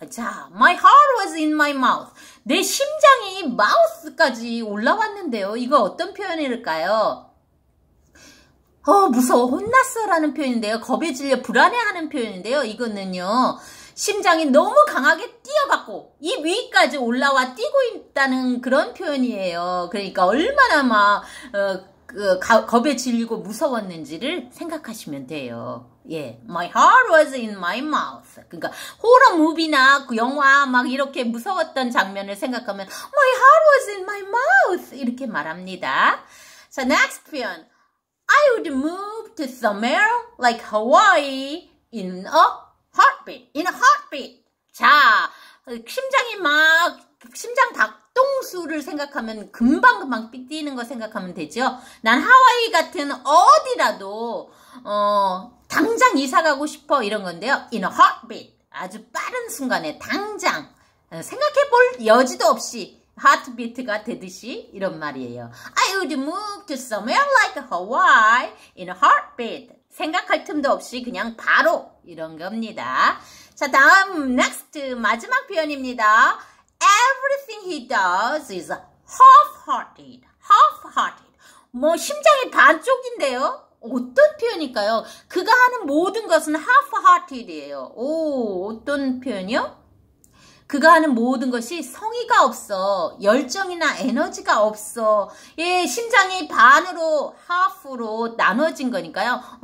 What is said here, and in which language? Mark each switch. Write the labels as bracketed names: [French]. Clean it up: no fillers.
[English] 자, my heart was in my mouth. [Korean] 내 심장이 마우스까지 올라왔는데요. 이거 어떤 표현일까요? 무서워, 혼났어라는 표현인데요. 겁에 질려 불안해하는 표현인데요. 이거는요, 심장이 너무 강하게 뛰어갖고 이 위까지 올라와 뛰고 있다는 그런 표현이에요. 그러니까 얼마나 막 겁에 질리고 무서웠는지를 생각하시면 돼요. [English] 예, my heart was in my mouth. [Korean] 그러니까 호러 무비나 그 영화 막 이렇게 무서웠던 장면을 생각하면 [English] my heart was in my mouth [Korean] 이렇게 말합니다. 자, next 표현. [English] I would move to somewhere like Hawaii in a heartbeat. In a heartbeat. [Korean] 자, 심장이 막, 심장 박동수를 생각하면 금방금방 뛰는 거 생각하면 되죠. 난 하와이 같은 어디라도, 당장 이사 가고 싶어. 이런 건데요. [English] In a heartbeat. [Korean] 아주 빠른 순간에, 당장. 생각해 볼 여지도 없이. 하트비트가 되듯이 이런 말이에요. [English] I would move to somewhere like Hawaii in a heartbeat. [Korean] 생각할 틈도 없이 그냥 바로 이런 겁니다. 자, 다음 next 마지막 표현입니다. [English] Everything he does is half-hearted. [Korean] half-hearted. 뭐 심장이 반쪽인데요. 어떤 표현일까요? 그가 하는 모든 것은 half-hearted이에요. 오, 어떤 표현이요? 그가 하는 모든 것이 성의가 없어. 열정이나 에너지가 없어. 예, 심장이 반으로, 하프로 나눠진 거니까요.